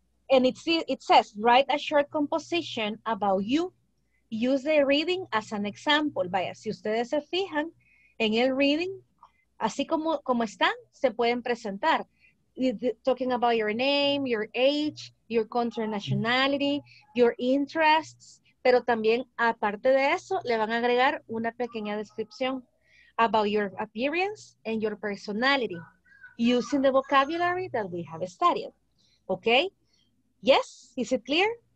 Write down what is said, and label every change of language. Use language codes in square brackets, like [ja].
[en] And it says, write a short composition about you. Use the reading as an example. [es] Vaya, si ustedes se fijan en el reading, así como están, se pueden presentar. [en] Talking about your name, your age, your country nationality, your interests. [es] Pero también, aparte de eso, le van a agregar una pequeña descripción [en] about your appearance and your personality using the vocabulary that we have studied. Okay? Yes? Is it clear?